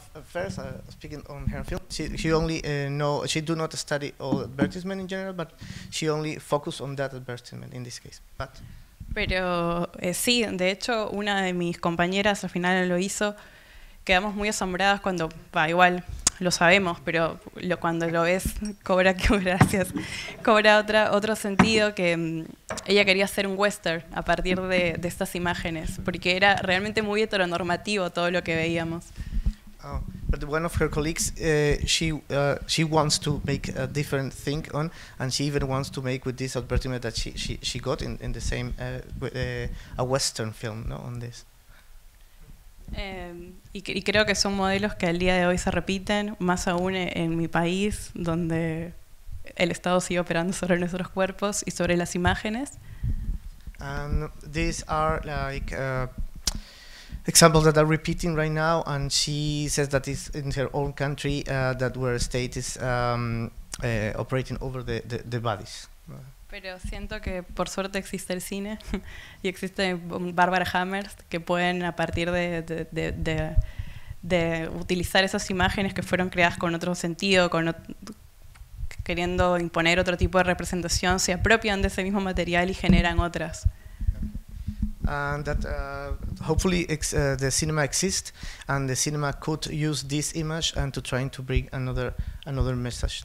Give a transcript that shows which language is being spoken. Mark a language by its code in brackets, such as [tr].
[en] First, speaking on her film, she do not study all advertisement in general, but she only focus on that advertisement in this case. But. [es] Pero sí, de hecho, una de mis compañeras al final lo hizo. Quedamos muy asombradas cuando, igual lo sabemos, pero cuando lo ves cobra otro sentido, que ella quería hacer un western a partir de estas imágenes, porque era realmente muy heteronormativo todo lo que veíamos. [en] But one of her colleagues, she wants to make a different thing on, and she even wants to make with this advertisement that she got in the same a Western film, no, on this. [es] Y creo que son modelos que al día de hoy se repiten, más aún en mi país, donde el Estado sigue operando sobre nuestros cuerpos y sobre las imágenes. [en] And these are like. Examples that are repeating right now, and she says that it's in her own country that where state is operating over the bodies. [es] Pero siento que por suerte existe el cine y existe Barbara Hammers que pueden a partir de utilizar esas imágenes que fueron creadas con otro sentido, queriendo imponer otro tipo de representación, se apropian de ese mismo material y generan otras. [en] And that hopefully the cinema exists, and the cinema could use this image and to trying to bring another message.